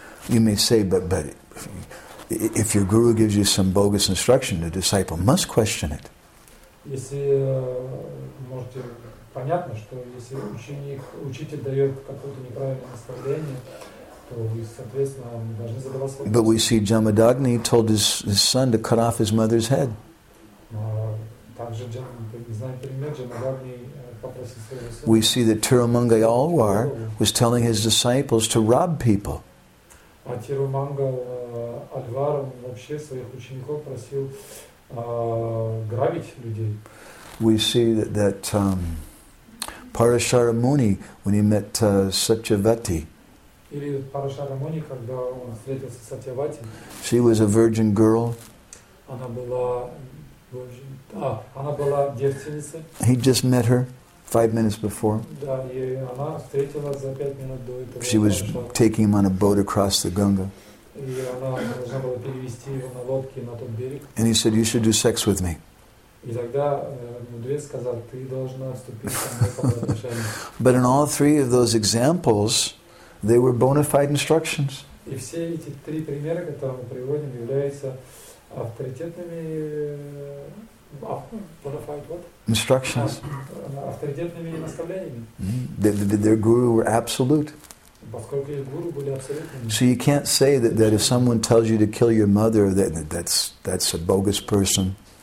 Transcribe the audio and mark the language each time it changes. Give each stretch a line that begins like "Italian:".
English: You may say, but if your guru gives you some bogus instruction, the disciple must question it.
Russian: Если можете понятно, что если ученик, учитель дает какое-то неправильное наставление, то вы, соответственно, должны задавать вопрос.
English: But we see Jamadagni told his son to cut off his mother's head.
Russian: Также знаем пример, Jamadagni попросил своего сына.
English: We see that Tirumangai Alwar was telling his disciples to rob people.
Russian: А Тирумангал Альвар вообще своих учеников просил грабить людей.
English: We see that Parashara Muni, when he met Satyavati.
Russian: Или Parashara Muni, когда он встретился с Сатьявати.
English: She was a virgin girl.
Russian: Она была девственницей.
English: He just met her 5 minutes before.
Russian: Да, и она встретилась за 5 минут до этого.
English: She was taking him on a boat across the Ganga.
Russian: И она должна была перевести его на лодке на тот берег.
English: And he said, "You should do sex with me."
Russian: И тогда мудрец сказал, ты должна вступить со мной по отношению.
English: But in all three of those examples, they were bona fide instructions.
Russian: И все эти три примера, которые мы приводим, являются авторитетными
English: bona fide what? Instructions.
Russian: Авторитетными наставлениями.
English: Their guru were absolute.
Russian: Поскольку их гуру были абсолютными.
English: So you can't say that if someone tells you to kill your mother, that's a bogus person.